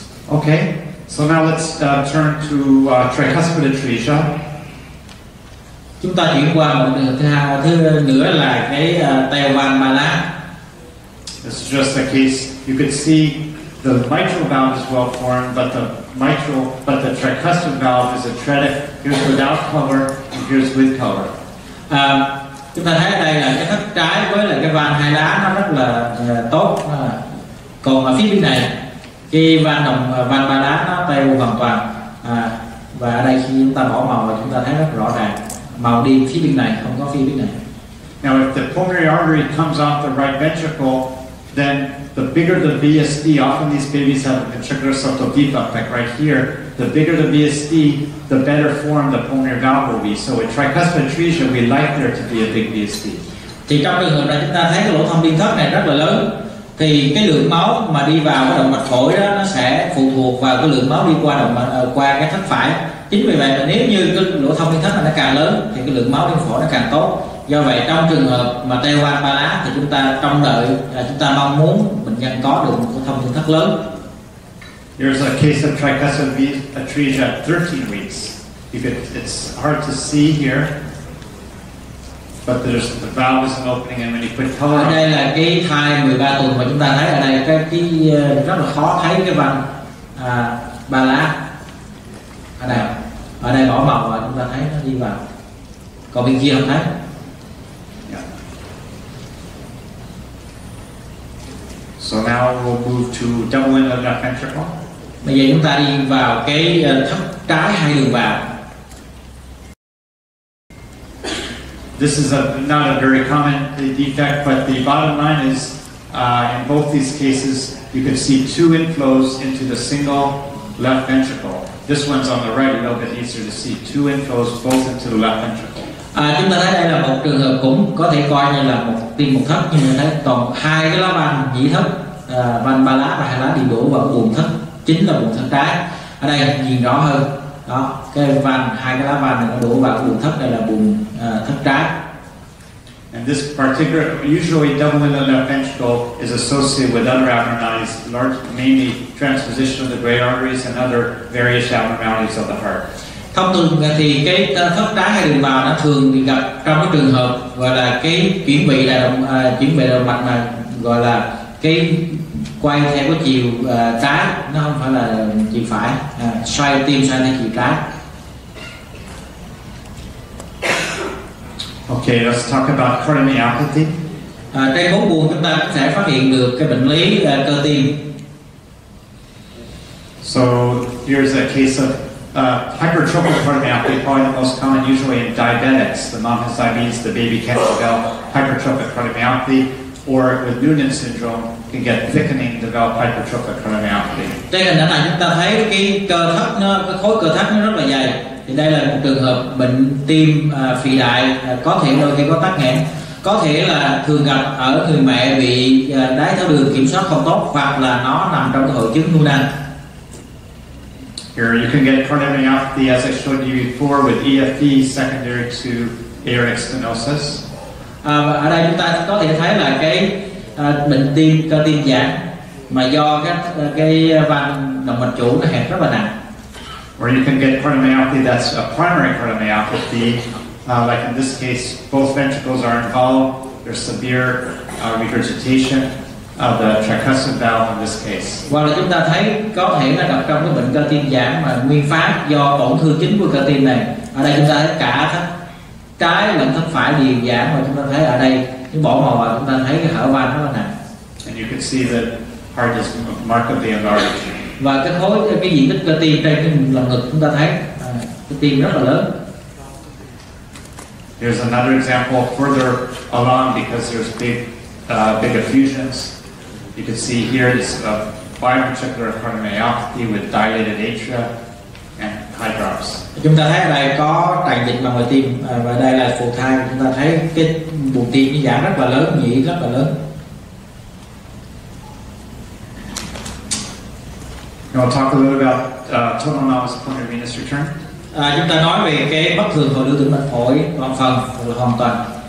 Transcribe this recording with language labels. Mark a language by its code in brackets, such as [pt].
[en] Okay, so now let's turn to tricuspid atresia. [vi] Chúng ta chuyển qua một điều thứ nữa là cái teo van ba lá. [en] This is just a case. You could see the mitral valve is well formed, but the tricuspid valve is atretic. Here's without color, and here's with color. [vi] Chúng ta thấy ở đây là cái thất trái với là cái van hai lá nó rất là tốt. Còn ở phía bên này cái van đồng van ba lá nó teo hoàn toàn à, và ở đây khi chúng ta bỏ màu chúng ta thấy rất rõ ràng màu đi phía bên này không có phía bên này. [en] Now if the pulmonary artery comes off the right ventricle, then the bigger the VSD, often these babies have a ventricular septal defect, like right here, the bigger the VSD, the better form the pulmonary valve will be. So with tricuspid atresia, we like there to be a big VSD. [vi] Thì trong trường hợp này chúng ta thấy cái lỗ thông biên thất này rất là lớn, thì cái lượng máu mà đi vào cái động mạch phổi đó nó sẽ phụ thuộc vào cái lượng máu đi qua động mạch qua cái thất phải. Chính vì vậy mà nếu như cái lỗ thông biên thất này nó càng lớn thì cái lượng máu đi phổi nó càng tốt. Do vậy trong trường hợp mà teo van ba lá thì chúng ta trông đợi là chúng ta mong muốn bệnh nhân có được một thông thương thất lớn. [en] Here's a case of tricuspid atresia at 13 weeks. You can, it's hard to see here, but there's the valve is opening and when you put color. [vi] Ở đây là cái thai 13 tuần mà chúng ta thấy ở đây cái rất là khó thấy cái van ba lá. Ở đây bỏ màu và chúng ta thấy nó đi vào. Còn bên kia không thấy. [en] So now we'll move to doubling of left ventricle. [vi] Bây giờ chúng ta đi vào cái thất trái hai đường vào. [en] This is a not a very common defect, but the bottom line is in both these cases you can see two inflows into the single left ventricle. This one's on the right, a little bit easier to see two inflows both into the left ventricle. [vi] À, chúng ta thấy đây là một trường hợp cũng có thể coi như là một tim một thất, nhưng mà thấy còn hai cái lá van nhĩ thất, van ba lá và hai lá đi đổ vào buồng thất chính là buồng thất trái. Ở đây nhìn rõ hơn đó, cái van hai cái lá van này nó đổ vào buồng thất, đây là buồng thất trái. [en] And this particular usually doubling of the left ventricle is associated with other abnormalities, large mainly transposition of the great arteries and other various abnormalities of the heart. [vi] Thông thường thì cái thất trái hay đường vào nó thường bị gặp trong cái trường hợp gọi là cái chuyển vị là động chuyển vị động mạch mà gọi là cái quay theo cái chiều trái, nó không phải là chiều phải, xoay tim xoay theo chiều trái. [en] Okay, let's talk about cardiomyopathy. [vi] Trên bốn buồng chúng ta sẽ phát hiện được cái bệnh lý cơ tim. [en] So here's a case of hypertrophic cardiomyopathy, probably the most common, usually in diabetics. The mom has diabetes, the baby can't develop hypertrophic cardiomyopathy, or with Noonan syndrome, can get thickening, develop hypertrophic cardiomyopathy. [vi] Trên hình ảnh này chúng ta thấy cái cơ thắt nó, cái khối cơ thắt nó rất là dày. Thì đây là một trường hợp bệnh tim phì đại, có thể đôi khi có tắc nghẽn, có thể là thường gặp ở người mẹ bị đái tháo đường kiểm soát không tốt, hoặc là nó nằm trong cái hội chứng Noonan. [en] Here you can get cardiomyopathy as I showed you before with EFV secondary to aortic stenosis. [vi] Ở đây chúng ta có thể thấy là cái bệnh tim cơ tim giãn mà do cái van động mạch chủ nó hẹp rất là nặng. [en] Or you can get cardiomyopathy that's a primary cardiomyopathy, like in this case, both ventricles are involved. There's severe regurgitation of the tricuspid valve in this case. [vi] Hoặc là chúng ta thấy có thể là gặp trong cái bệnh cơ tim giãn mà nguyên phát do tổn thương chính của cơ tim này. Ở đây chúng ta thấy cả thất trái lẫn thất phải đều giãn và chúng ta thấy ở đây cái bỏ màu và chúng ta thấy cái hở van rất là nặng. [en] And you can see the heart is markedly enlarged. [vi] Và cái khối cái diện tích cơ tim trên cái lồng ngực chúng ta thấy cái tim rất là lớn. [en] Here's another example further along because there's big effusions. You can see here this biventricular cardiomyopathy with dilated atria and high drops. [vi] Chúng ta thấy ở đây có tràn dịch màng ngoài tim và đây là phù thai. Chúng ta thấy cái buồng tim nó giãn rất là lớn, nhĩ rất là lớn. [en] Now we'll talk a little about total anomalous pulmonary venous return. [vi] Chúng ta nói về cái bất thường hồi lưu tĩnh mạch phổi toàn phần hoàn toàn.